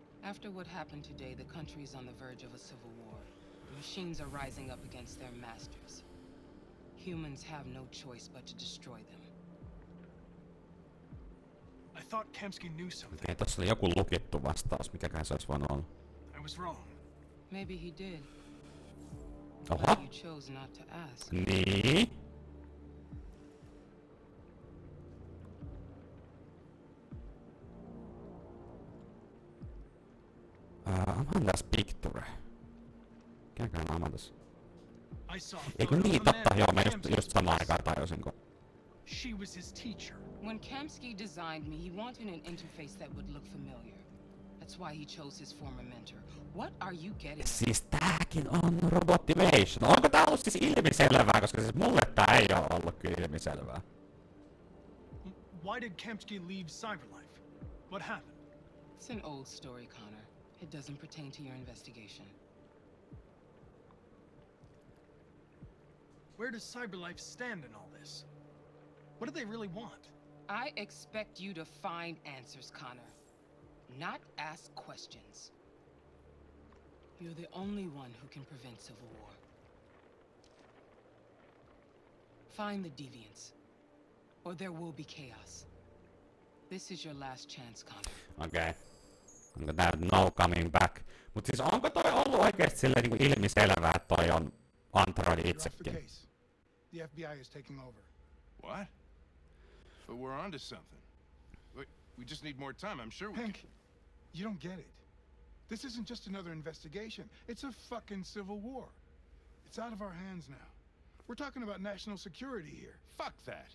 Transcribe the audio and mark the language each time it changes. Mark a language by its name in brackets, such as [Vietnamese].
[English] After what happened today, the country is on the verge of a civil war. The machines are rising up against their masters. Humans have no choice but to destroy them. I thought Kamsky knew something. [Finnish] Okay, tässä oli joku lukittu vastaus, mikäkään se olisi voinut olla. [English] I was wrong. Maybe he did. [Finnish] Oho. [English] You chose not to ask. [Finnish] Niin? [English] Amanda's picture. [Finnish] Mikäköhän Amanda's? Eikö niin totta? Joo, mä just samaan aikaan tajusinko. [English] She was his teacher. When Kamsky designed me, he wanted an interface that would look familiar. That's why he chose his former mentor. What are you getting? [Finnish] Siis tääkin on Robotivation. Onko tää ollut siis ilmiselvää? Koska siis mulle tää ei oo ollut kyllä ilmiselvää. [English] Why did Kamsky leave Cyberlife? What happened? It's an old story, Connor. It doesn't pertain to your investigation. Where does Cyberlife stand in all this? What do they really want? I expect you to find answers, Connor. Not ask questions. You're the only one who can prevent civil war. Find the deviants, or there will be chaos. This is your last chance, Connor. [Finnish] Okay. Onko tää [English] no coming back? [Finnish] Mut siis onko toi ollut oikeesti silleen niinku ilmiselvää, että toi on Android itsekin? [English] The FBI is taking over. What? But we're onto something. We just need more time. I'm sure we Hank, can. You don't get it. This isn't just another investigation. It's a fucking civil war. It's out of our hands now. We're talking about national security here. Fuck that.